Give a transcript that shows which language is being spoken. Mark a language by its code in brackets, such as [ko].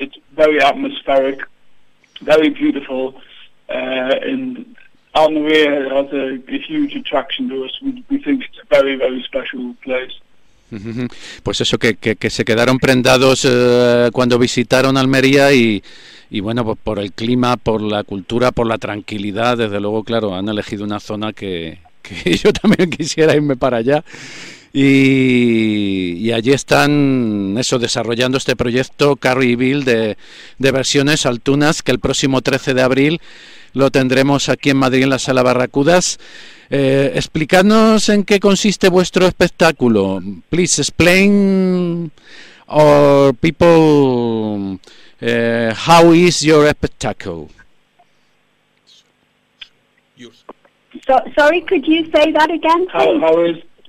[en] It's very atmospheric, very beautiful, and Almeria has a huge attraction to us. We think it's a very, very special place. [es] Pues eso, que se quedaron prendados cuando visitaron Almería y bueno, pues por el clima, por la cultura, por la tranquilidad, desde luego, claro, han elegido una zona que yo también quisiera irme para allá. Y allí están, eso, desarrollando este proyecto Carrie Bill de versiones altunas, que el próximo 13 de abril lo tendremos aquí en Madrid en la Sala Barracudas. Explicadnos en qué consiste vuestro espectáculo. [en] Please explain our people how is your spectacle. Sorry, could you say that again?